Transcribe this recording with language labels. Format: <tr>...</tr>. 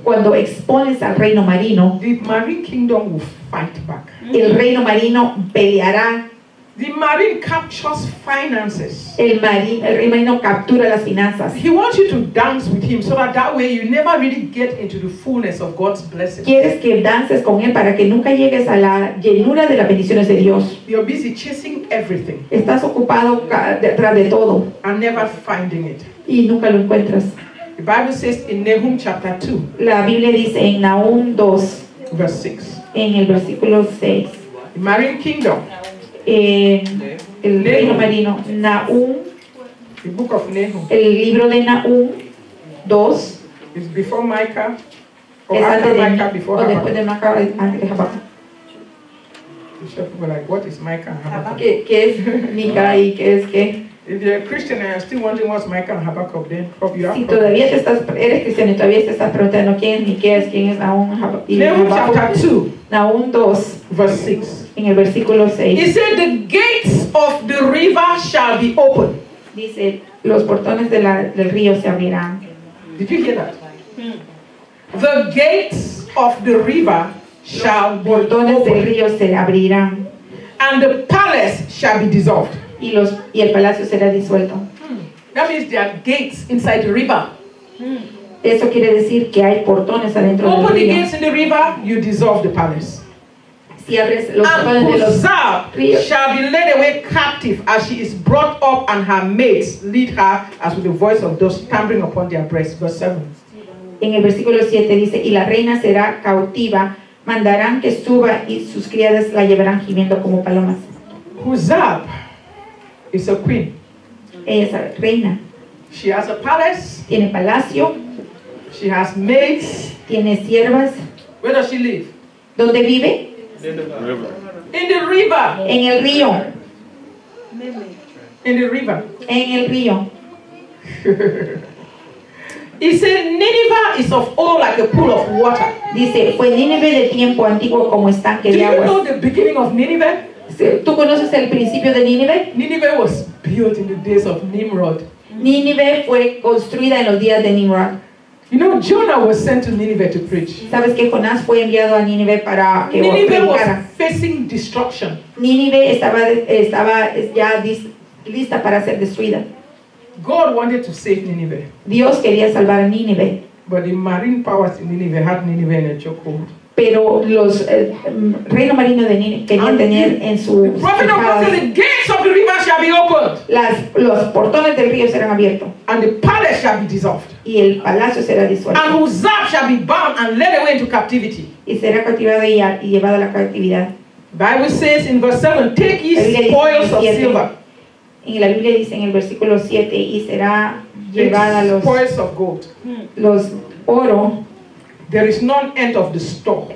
<es>cuando expones al reino marino,</es> <en>the marine kingdom will fight back.</en> <es>El reino marino peleará.</es> <en>The marine captures finances.</en> <es>El rey marino captura las finanzas.</es> <en>He wants you to dance with him so that way you never really get into the fullness of God's blessings.</en> <es>Quieres que dances con él para que nunca llegues a la llenura de las bendiciones de Dios.</es> <en>You're busy chasing everything.</en> <es>Estás ocupado detrás de todo.</es> <en>And never finding it.</en> <es>Y nunca lo encuentras.</es> <en>The Bible says in Nahum chapter 2.</en> <es>La Biblia dice en Nahum 2.</es> <en>Verse 6.</en> <es>En el versículo 6.</es> <en>The marine kingdom.</en> <es>El reino marino, Nahum,</es> <en>the book of Nahum,</en> <es>el libro de Nahum 2,</es> <en>is before Micah, or after Micah, before Habakkuk.</en> <es>Después de</es> <en>Micah, like, what is Micah and Habakkuk?</en> <es>¿Qué es Micah y qué es qué?</es> <en>If you're a Christian and you're still wondering what's Micah and Habakkuk, then probably you are.</en> <es>Si todavía eres cristiano y todavía te estás preguntando quién es Nahum y</es> <en>Habakkuk. Nahum chapter 2.</en> <es>Nahum 2.</es> <en>Verse 6.</en> <es>En el versículo 6.</es> <en>He said, the gates of the river shall be open.</en> <es>Dice, los portones del río se abrirán.</es> <en>Did you hear that? The gates of the river shall be open.</en> <es>Portones del río se abrirán.</es> <en>And the palace shall be dissolved.</en> <es>Y el palacio será disuelto.</es> <en>That means there are gates inside the river.</en> <es>Eso quiere decir que hay portones adentro del río.</es> <en>Open the gates in the river, you dissolve the palace.</en> <es>Si abres los</es> <en>and Buzar shall be led away captive as she is brought up, and her maids lead her as with the voice of those tambourine upon their breasts. Verse 7.</en> <es>En el versículo 7 dice, y la reina será cautiva, mandarán que suba y sus criadas la llevarán gimiendo como palomas.</es> <en>Buzar. It's a queen.</en> <es>Ella es reina.</es> <en>She has a palace.</en> <es>Tiene palacio.</es> <en>She has maids.</en> <es>Tiene siervas.</es> <en>Where does she live?</en> <es>¿Dónde vive?</es> <en>In the river. In the river.</en> <es>En el río.</es> <en>In the river.</en> <es>En el río.</es> <en>He said, Nineveh is of old like a pool of water.</en> <es>Dice, fue Nineveh de tiempo antiguo como estanque de agua.</es> <en>Do you know the beginning of Nineveh?</en> <es>¿Tú conoces el principio de Nineveh?</es> <en>Nineveh was built in the days of Nimrod.</en> <es>Nineveh fue construida en los días de Nimrod.</es> <en>You know, Jonah was sent to Nineveh to preach.</en> <es>¿Sabes que Jonás fue enviado a Nineveh para que Nineveh predicara?</es> <en>Was facing destruction.</en> <es>Nineveh estaba ya lista para ser destruida.</es> <en>God wanted to save Nineveh.</en> <es>Dios quería salvar a Nineveh.</es> <en>But the marine powers in Nineveh had Nineveh in a chokehold.</en> <es>Pero los reino marino de Nineveh querían tener en su espada. Los portones del río serán abiertos.</es> <en>And the palace shall be dissolved.</en> <es>Y el palacio será disuelto.</es> <en>And Uzzah shall be bound and led away into captivity.</en> <es>Y será cautivado y llevado a la cautividad.</es> <en>Bible says in verse 7, take ye spoils of silver.</en> <es>Y la Biblia dice en el versículo 7, y será llevada los</es> <en>spoils of gold.</en> <es>Los oro.</es> <en>There is none end of the store.</en>